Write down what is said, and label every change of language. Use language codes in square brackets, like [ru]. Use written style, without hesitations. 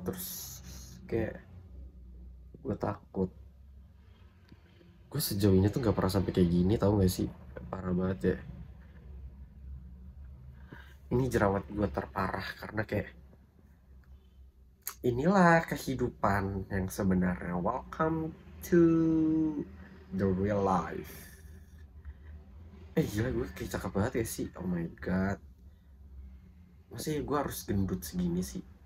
[id] Terus kayak gue takut, gue sejauh ini tuh nggak pernah sampai kayak gini, tau nggak sih, parah banget ya. Ini jerawat gue terparah karena kayak inilah kehidupan yang sebenarnya. [en] Welcome to the real life. [id] Eh gila, gue kayak cakep banget ya sih. [en] Oh my god. [id] Masih gue harus gendut segini sih.